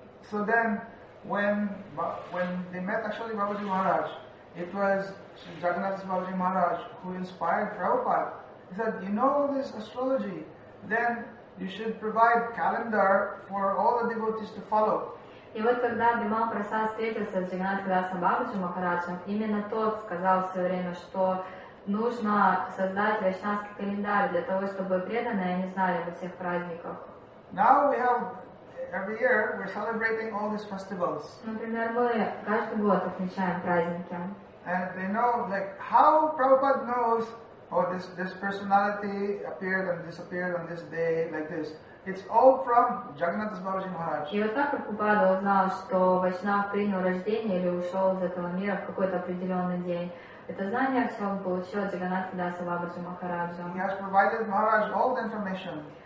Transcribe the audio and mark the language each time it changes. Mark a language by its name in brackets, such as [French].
[English] So then, when they met actually Babaji Maharaj, it was Jagannath Babaji Maharaj who inspired Prabhupada. He said, you know this astrology, then you should provide calendar for all the devotees to follow. [Russian] И вот когда Бимал Прасад встретился с Джаганнатхом Бабаджи Махараджем, именно тот сказал в свое время, что нужно создать вайшнавский календарь для того, чтобы преданные не знали обо всех праздниках. [English] Now we have every year we're celebrating all these festivals. [Russian] Например, мы каждый год отмечаем праздники. [English] And they know, like, how Prabhupada knows, oh, this personality appeared and disappeared on this day, like this. It's all from Jagannath Babaji Maharaj. [Russian] И вот так Прабхупада узнал, что вайшнав принял рождение или ушел из этого мира в какой-то определенный день. Это знание все получил от Джаганнатхадаса Бабаджи Махараджа. [English] He has provided Maharaj all the information.